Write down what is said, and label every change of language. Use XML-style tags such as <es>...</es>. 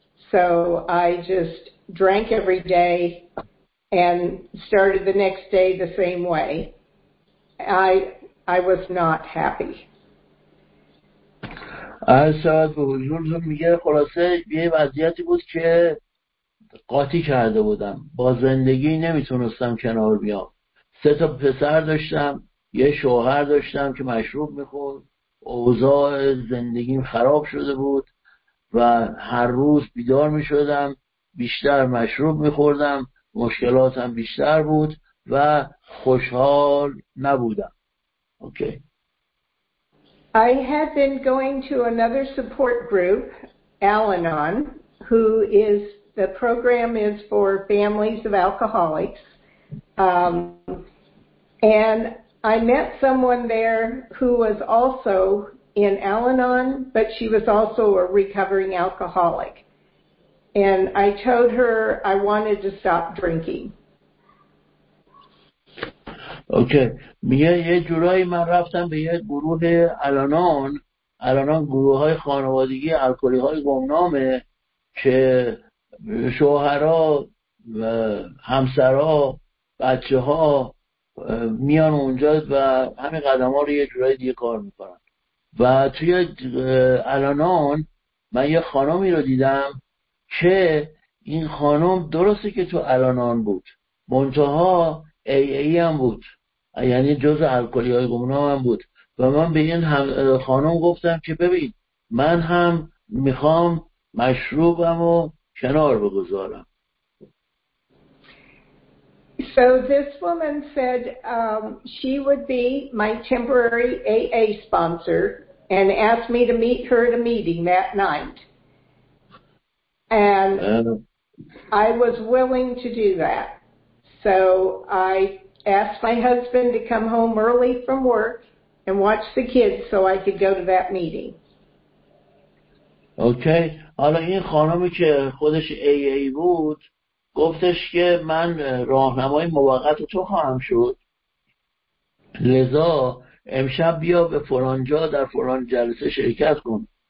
<en>So I just drank every day and started the next day the same way. I was not happy.</en> <fa>از ساعت به حضورتون میگه خلاصه یه وضعیتی بود که قاطی کرده بودم، با زندگی نمیتونستم کنار بیام. سه تا پسر داشتم، یه شوهر داشتم که مشروب میخورد، اوضاع زندگیم خراب شده بود و هر روز بیدار میشدم بیشتر مشروب میخوردم، مشکلاتم بیشتر بود و خوشحال نبودم. اوکی.</fa> <en>I had been going to another support group, Al-Anon, the program is for families of alcoholics. And I met someone there who was also in Al-Anon, but she was also a recovering alcoholic. And I told her I wanted to stop drinking.</en> <fa>اوکی. میگه یه جورایی من رفتم به یه گروه الانان، الانان گروه های خانوادگی الکلی های گمنامه که شوهرها و همسرها بچه ها میان اونجا و همین قدم ها رو یه جورایی دیگه کار میکنن و توی الانان من یه خانمی رو دیدم که این خانم درسته که تو الانان بود منتها AA هم بود، یعنی جز الکلی های گمنام هم بود و من به این خانم گفتم که ببین من هم میخوام مشروبم رو کنار بگذارم.</fa> <en>So this woman said she would be my temporary AA sponsor and asked me to meet her at a meeting that night. And I was willing to do that. So I asked my husband to come home early from work and watch the kids so I could go to that meeting. Okay.</en> <fa>حالا این خانمی که خودش AA بود گفتش که من راهنمای موقت تو خواهم شد. لذا امشب بیا به فلان جا در فلان جلسه شرکت کن.</fa>